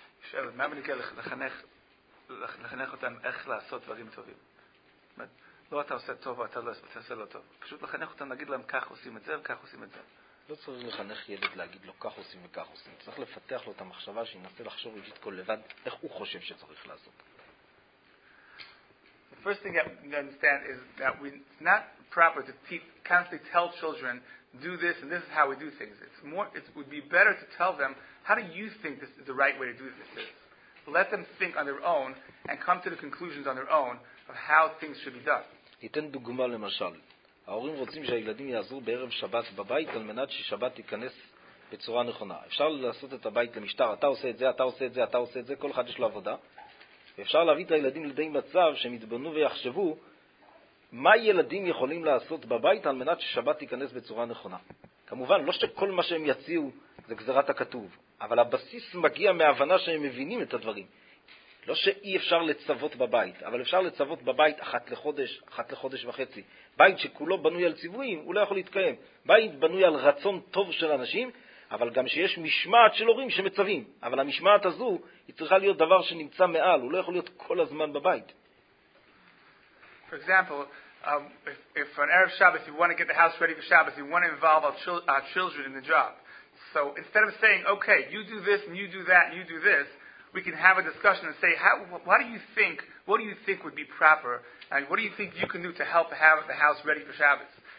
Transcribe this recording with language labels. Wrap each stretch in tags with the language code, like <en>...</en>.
<he>שאלה, מה בנקל לחנך אותם איך לעשות דברים טובים? זאת אומרת, לא אתה עושה טוב או אתה לא עושה לא טוב. פשוט לחנך אותם, נגיד להם כך עושים את זה וכך עושים את זה. לא צריך לחנך ילד להגיד לו כך עושים וכך עושים. צריך לפתח לו את המחשבה שינסה לחשוב רגשית כל לבד איך הוא חושב שצריך לעשות.</he> <en>The first thing that we understand is that it's not proper to constantly tell children do this and this is how we do things. It would be better to tell them how do you think this is the right way to do this. Let them think on their own and come to the conclusions on their own of how things should be done.</en> <he>ניתן דוגמה למשל. ההורים רוצים שהילדים יעזרו בערב שבת בבית על מנת ששבת ייכנס בצורה נכונה. אפשר לעשות את הבית למשטר, אתה עושה את זה, אתה עושה את זה, אתה עושה את זה, כל אחד יש לו עבודה. אפשר להביא את הילדים לידי מצב שהם יתבנו ויחשבו מה ילדים יכולים לעשות בבית על מנת ששבת ייכנס בצורה נכונה. כמובן, לא שכל מה שהם יציעו זה גזרת הכתוב, אבל הבסיס מגיע מההבנה שהם מבינים את הדברים. לא שאי אפשר לצוות בבית, אבל אפשר לצוות בבית אחת לחודש, אחת לחודש וחצי. בית שכולו בנוי על ציוויים, הוא לא יכול להתקיים. בית בנוי על רצון טוב של אנשים, אבל גם שיש משמעת של הורים שמצווים. אבל המשמעת הזו היא צריכה להיות דבר שנמצא מעל, הוא לא יכול להיות כל הזמן בבית.</he> <en>For example, if on Erev Shabbos you want to get the house ready for Shabbos, you want to involve our children in the job. So instead of saying, okay, you do this and you do that and you do this, we can have a discussion and say, what do you think would be proper and what do you think you can do to help have the house ready for Shabbos?</en>